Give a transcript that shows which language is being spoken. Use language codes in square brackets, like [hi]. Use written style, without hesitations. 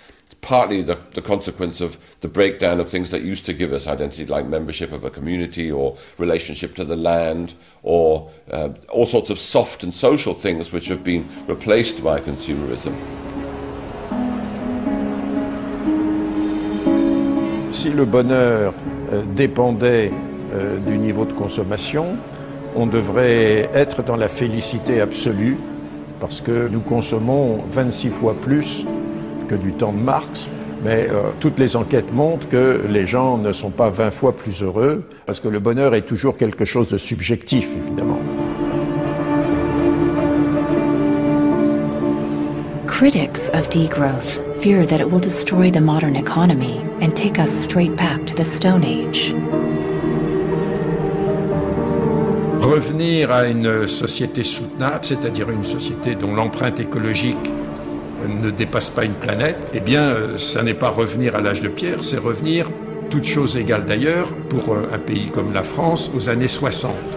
[en] It's partly the consequence of the breakdown of things that used to give us identity, like membership of a community or relationship to the land or all sorts of soft and social things which have been replaced by consumerism. [fr] Si le bonheur dépendait du niveau de consommation, on devrait être dans la félicité absolue parce que nous consommons 26 fois plus que du temps de Marx. Mais toutes les enquêtes montrent que les gens ne sont pas 20 fois plus heureux parce que le bonheur est toujours quelque chose de subjectif, évidemment. [en] Critics of degrowth fear that it will destroy the modern economy and take us straight back to the Stone Age. [fr] Revenir à une société soutenable, c'est-à-dire une société dont l'empreinte écologique ne dépasse pas une planète, eh bien, ça n'est pas revenir à l'âge de pierre, c'est revenir, toutes choses égales d'ailleurs, pour un pays comme la France, aux années 60.